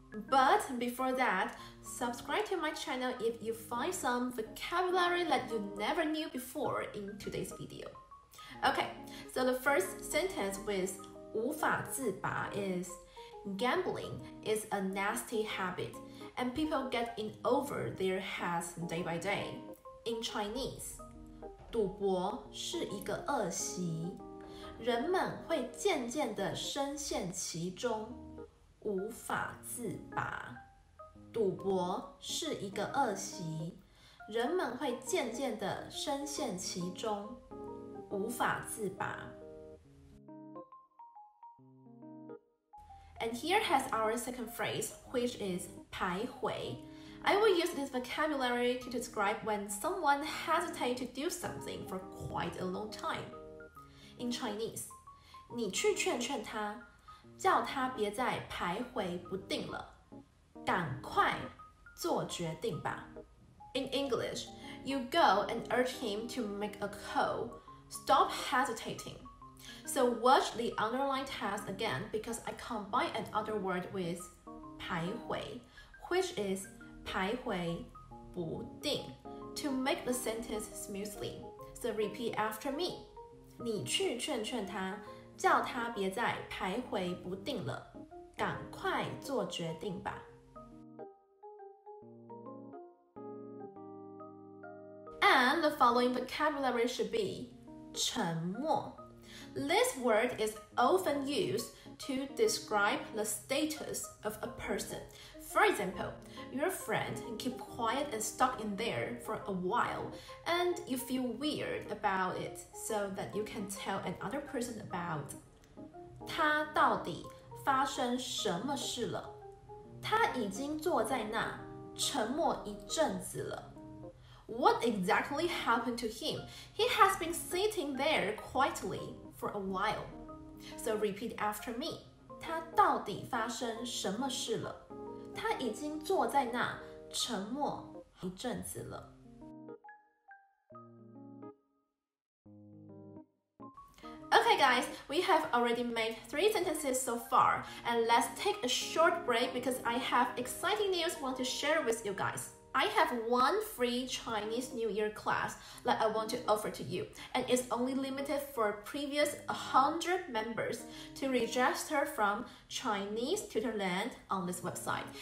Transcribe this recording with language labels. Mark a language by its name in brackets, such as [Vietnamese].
[English] But before that, subscribe to my channel if you find some vocabulary that you never knew before in today's video. Okay, so the first sentence with 无法自拔 isGambling is a nasty habit, and people get in over their heads day by day. In Chinese, [Chinese] 赌博是一个恶习. 人们会渐渐地深陷其中，无法自拔。赌博是一个恶习，人们会渐渐地深陷其中，无法自拔。 [English] And here has our second phrase, which is 徘徊。 I will use this vocabulary to describe when someone hesitates to do something for quite a long time. In Chinese, [Chinese] 你去劝劝他，叫他别再徘徊不定了，赶快做决定吧。 [English] In English, you go and urge him to make a call. Stop hesitating. So watch the underlined test again because I combine another word with 徘徊, which is排回不定 to make the sentence smoothly. So repeat after me. [Chinese] 你去劝劝他，叫他别再排回不定了，赶快做决定吧。 [English] And the following vocabulary should be 沉默。 This word is often used to describe the status of a person. For example, your friend keep quiet and stuck in there for a while, and you feel weird about it so that you can tell another person about. [Chinese] 他到底发生什么事了？他已经坐在那沉默一阵子了。 [English] What exactly happened to him? He has been sitting there quietly for a while. So repeat after me. [Chinese] 他到底发生什么事了？他已经坐在那沉默一阵子了。 [English] Okay guys, we have already made 3 sentences so far, and let's take a short break because I have exciting news I want to share with you guys. I have one free Chinese New Year class that I want to offer to you, and it's only limited for previous 100 members to register from Chinese Tutorland on this website.